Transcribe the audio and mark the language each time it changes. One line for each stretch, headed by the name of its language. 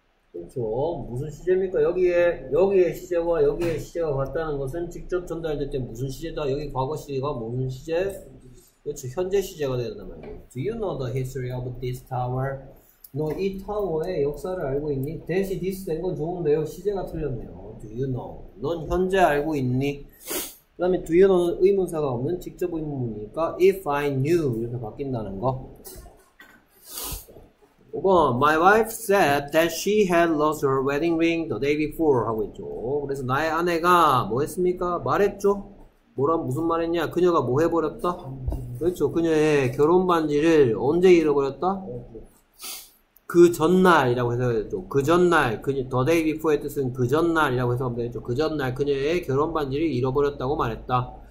Korean: 그렇죠. 무슨 시제입니까? 여기에 시제와 여기에 시제가 같다는 것은 직접 전달될 때 무슨 시제다? 여기 과거 시제가 무슨 시제? 그렇죠. 현재 시제가 된단 말이에요.
English: Do you know the history of this tower?
Korean: 너이 타워의 역사를 알고 있니? 대시 this 된건 좋은데요. 시제가 틀렸네요.
English: Do you know?
Korean: 넌 현재 알고 있니? 그 다음에 do you know는 의문사가 없는 직접 의문이니까
English: if I knew
Korean: 이렇게 바뀐다는 거.
English: 5번, my wife said that she had lost her wedding ring the day before
Korean: 하고 있죠. 그래서 나의 아내가 뭐 했습니까? 말했죠. 뭐라 무슨 말했냐? 그녀가 뭐 해버렸다? 그렇죠. 그녀의 결혼 반지를 언제 잃어버렸다? 그 전날이라고 해서 해야겠죠. 그 전날, 그녀, the day before의 뜻은 그 전날이라고 해서 하면 되겠죠. 그 전날 그녀의 결혼 반지를 잃어버렸다고 말했다.